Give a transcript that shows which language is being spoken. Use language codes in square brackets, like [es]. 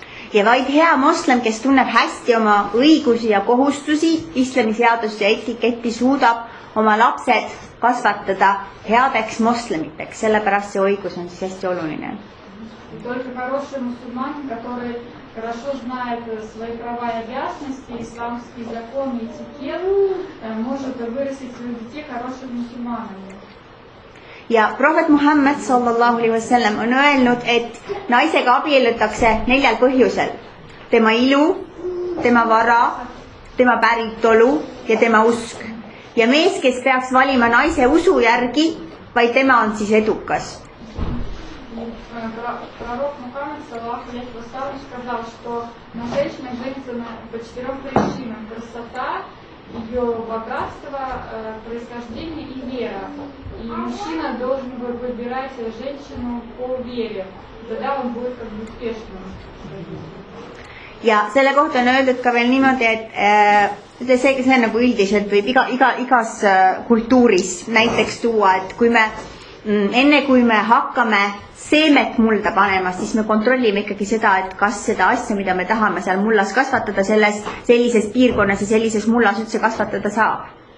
[et] Ja vaid hea moslem, kes tunneb hästi oma õigusi ja kohustusi, islami seadusse etiketti suudab oma lapsed kasvatada headeks moslemiteks, sellepärast see õigus on siis hästi oluline. [ru] Только хороший мусульман, который хорошо знает свои права и обязанности, исламские законы и этикет, может вырастить своих детей хорошими мусульманами. [et] Ja prohvet Muhammad sallallahu alaihi wasallam on öelnud, et naisega abiellutakse neljal põhjusel. Tema ilu, tema vara, tema päritolu ja tema usk. Ja mees, kes peaks valima naise usu järgi, vaid tema on siis edukas. [ru] Prohvet Muhammad sallallahu alaihi wasallam сказал, что на женщине женщина по четырем причинам: красота, ее богатство, происхождение и вера. И мужчина должен был выбирать женщину по вере. Тогда он будет как бы успешным. [et] ja selle kohta on öeldud ka veel niimoodi, et see nagu üldiselt võib igas kultuuris näiteks tuua, et kui me enne kui me hakkame seemet mulda panema, siis me kontrollime ikkagi seda, et kas seda asja, mida me tahame seal mullas kasvatada, sellises piirkonnas ja sellises mullas üldse kasvatada saab.